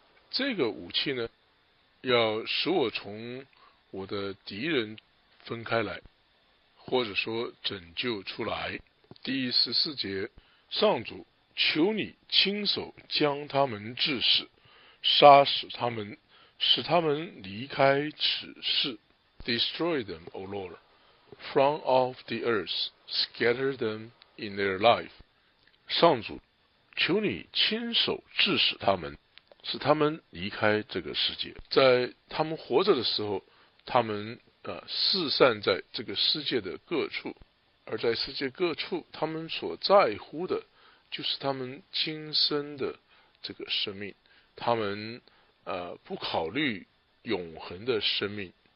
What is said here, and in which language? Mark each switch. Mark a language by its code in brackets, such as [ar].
[zh] 这个武器呢，要使我从我的敌人分开来，或者说拯救出来。第十四节，上主求你亲手将他们致死，杀死他们，使他们离开此世。 [en] Destroy them, O Lord, from off the earth, scatter them in their life。 [zh] 上主求你亲手致死他们，使他们离开这个世界，在他们活着的时候他们四散在这个世界的各处，而在世界各处他们所在乎的就是他们今生的这个生命，他们不考虑永恒的生命。